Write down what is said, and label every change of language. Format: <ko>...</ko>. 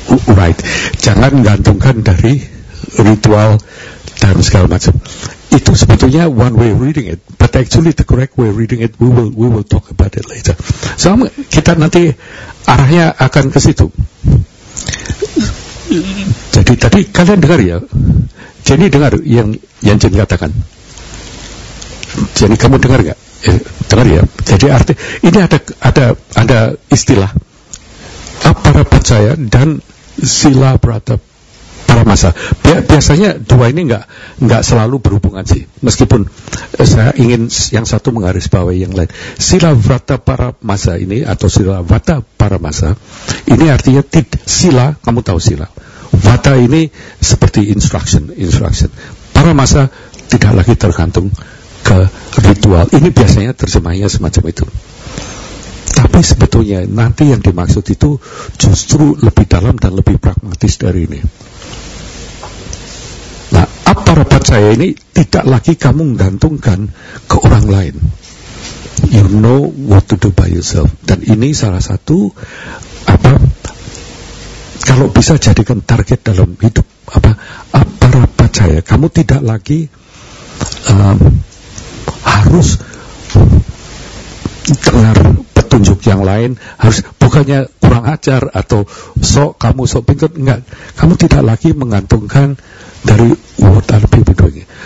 <id>Right, jangan gantungkan dari ritual dan segala macam. Itu sebetulnya</id> <en>one way of reading it, but actually the correct way of reading it, we will talk about it later.</en> <id>So kita nanti arahnya akan ke situ. Jadi tadi kalian dengar ya, Jenny dengar yang Jenny katakan. Jenny kamu dengar nggak? dengar ya. Jadi arti ini ada istilah para pacaya dan sila prata para masa. Biasanya dua ini enggak selalu berhubungan sih. Meskipun saya ingin yang satu menggaris bawahi yang lain. Sila vrata para masa ini atau sila vata para masa ini artinya sila, kamu tahu sila. Vata ini seperti instruction. Para masa tidak lagi tergantung ke ritual. Ini biasanya terjemahnya semacam itu. Tapi sebetulnya nanti yang dimaksud itu justru lebih dalam dan lebih pragmatis dari ini. Nah, apa rapat saya ini tidak lagi kamu menggantungkan ke orang lain.</id> <en>You know what to do by yourself.</en> <id>Dan ini salah satu apa? Kalau bisa jadikan target dalam hidup apa rapat saya. Kamu tidak lagi harus dengar petunjuk yang lain, harus bukannya kurang ajar atau sok kamu sok pintar, enggak, kamu tidak lagi menggantungkan dari</id> <en>what are people doing.</en>